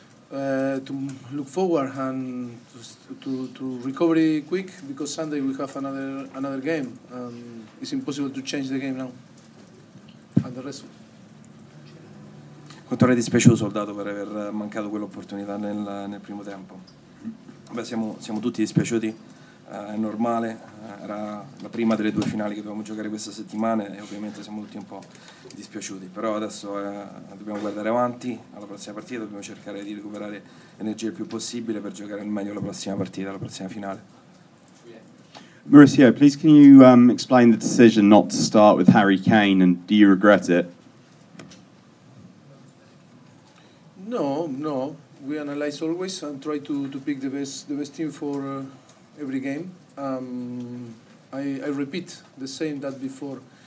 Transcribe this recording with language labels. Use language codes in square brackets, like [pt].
[en] to look forward and to recover quick, because Sunday we have another game. It's impossible to change the game now. And the rest. [it] Quanto era dispiaciuto Soldato per aver mancato quell'opportunità nel primo tempo? Beh, siamo tutti dispiaciuti, è normale, era la prima delle due finali che dovevamo giocare questa settimana e ovviamente siamo tutti un po' dispiaciuti, però adesso dobbiamo guardare avanti alla prossima partita, dobbiamo cercare di recuperare energia il più possibile per giocare al meglio la prossima partita, la prossima finale. [en] Mauricio, please can you explain the decision not to start with Harry Kane and do you regret it? No, we analyze always and try to pick the best team for every game. I repeat the same that before.